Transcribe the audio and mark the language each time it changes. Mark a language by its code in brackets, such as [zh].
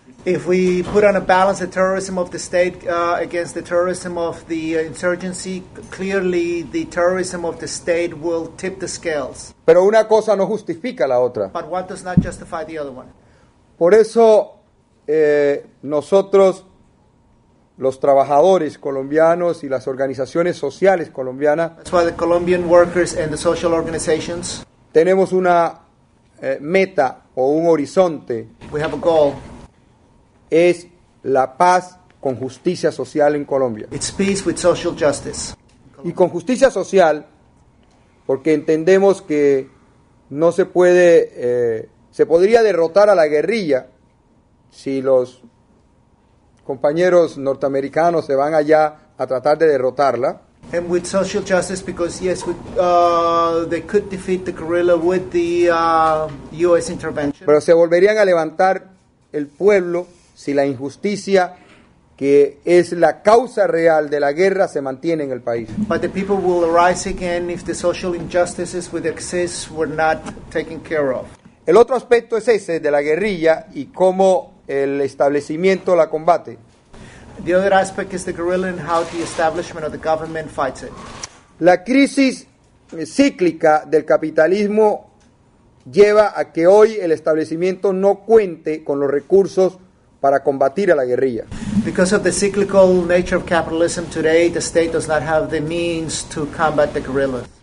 [en] If we put on a balance the terrorism of the state against the terrorism of the insurgency, clearly the terrorism of the state will tip the scales. [es] Pero una cosa no justifica la otra. [en] But what does not justify the other one? [es] Por eso nosotros, los trabajadores colombianos y las organizaciones sociales colombianas, [en] that's why the Colombian workers and the social organizations, [es] tenemos una meta o un horizonte. [en] We have a goal. [es] Es la paz con justicia social en Colombia. [en] It's peace with social justice. [es] Y con justicia social, porque entendemos que no se puede, se podría derrotar a la guerrilla si los compañeros norteamericanos se van allá a tratar de derrotarla. [en] And with social justice, because yes, they could defeat the guerrilla with the U.S. intervention. [es] Pero se volverían a levantar el pueblo si la injusticia, que es la causa real de la guerra, se mantiene en el país. [en] But the people will arise again if the social injustices with excess were not taken care of. [es] El otro aspecto es ese de la guerrilla y cómo el establecimiento la combate. [en] The other aspect is the guerrilla and how the establishment of the government fights it. [es] La crisis cíclica del capitalismo lleva a que hoy el establecimiento no cuente con los recursos para combatir a la guerrilla. [en] Because of the cyclical nature of capitalism today, the state does not have the means to combat the guerrillas.